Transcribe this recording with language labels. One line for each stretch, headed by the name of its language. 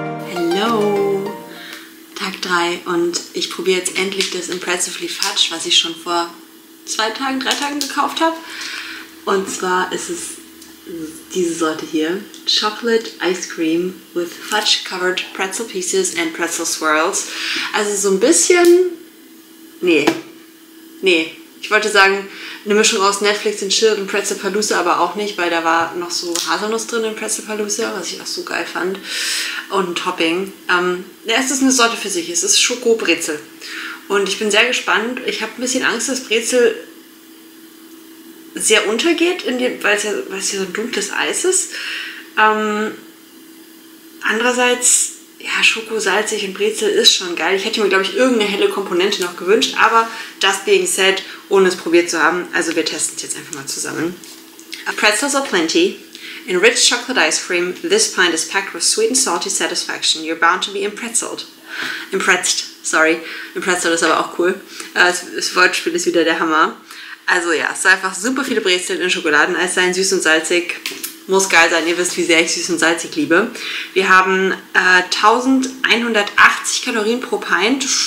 German: Hello, Tag 3 und ich probiere jetzt endlich das Impressively Fudge, was ich schon vor 2 Tagen, 3 Tagen gekauft habe. Und zwar ist es diese Sorte hier.
English: Chocolate Ice Cream with Fudge Covered Pretzel Pieces and Pretzel Swirls.
German: Also so ein bisschen... Nee. Ich wollte sagen, eine Mischung aus Netflix und Chill und Pretzelpalooza, aber auch nicht, weil da war noch so Haselnuss drin in Pretzelpalooza, was ich auch so geil fand. Und Topping. Es ist eine Sorte für sich. Es ist Schokobrezel. Und ich bin sehr gespannt. Ich habe ein bisschen Angst, dass Brezel sehr untergeht, weil es ja so ein dunkles Eis ist. Andererseits, ja, Schoko, salzig und Brezel ist schon geil. Ich hätte mir, glaube ich, irgendeine helle Komponente noch gewünscht, aber das
English: being said,
German: ohne es probiert zu haben, also wir testen es jetzt einfach mal zusammen.
English: Pretzels are plenty. Enriched chocolate ice cream. This pint is packed with sweet and salty satisfaction. You're bound to be impretzelt. Impretzed, sorry.
German: Impretzelt ist aber auch cool. Das Wortspiel ist wieder der Hammer. Also ja, es sind einfach super viele Brezeln in Schokoladeneis sein, süß und salzig. Muss geil sein, ihr wisst, wie sehr ich süß und salzig liebe. Wir haben 1180 Kalorien pro Pint.